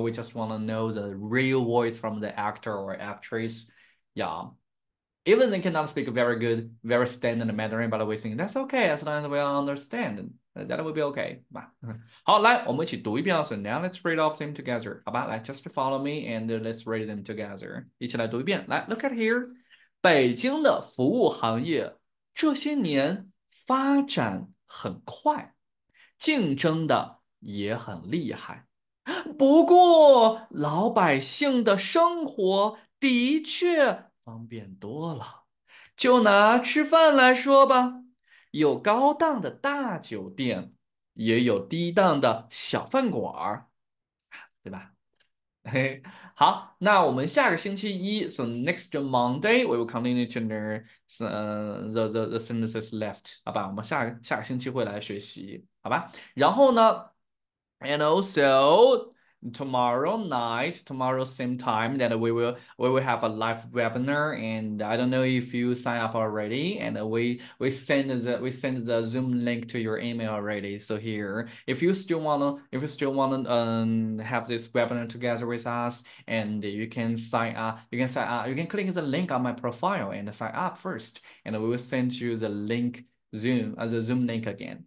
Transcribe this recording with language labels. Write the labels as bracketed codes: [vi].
[en] We just want to know the real voice from the actor or actress. Yeah. Even they cannot speak very good, very standard Mandarin, but we think that's okay as long as we understand. That will be okay. [zh] 好，来，我们一起读一遍。 [en] So now let's read off them together. [zh] 好吧，来 [en] ，just follow me and let's read them together. [zh] 一起来读一遍。来 ， [en] look at here. [zh] 北京的服务行业这些年发展很快，竞争的也很厉害。不过，老百姓的生活的确方便多了，就拿吃饭来说吧，有高档的大酒店，也有低档的小饭馆儿，对吧？好，那我们下个星期一 [en] ，so next Monday we will continue to learn the sentences left， [zh] 好吧？我们下个星期会来学习，好吧？然后呢 ， [en] and also。 Tomorrow same time that we will have a live webinar, and I don't know if you sign up already, and we send the Zoom link to your email already. So here, if you still wanna have this webinar together with us, and you can sign up, you can click the link on my profile and sign up first, and we will send you the link Zoom link again.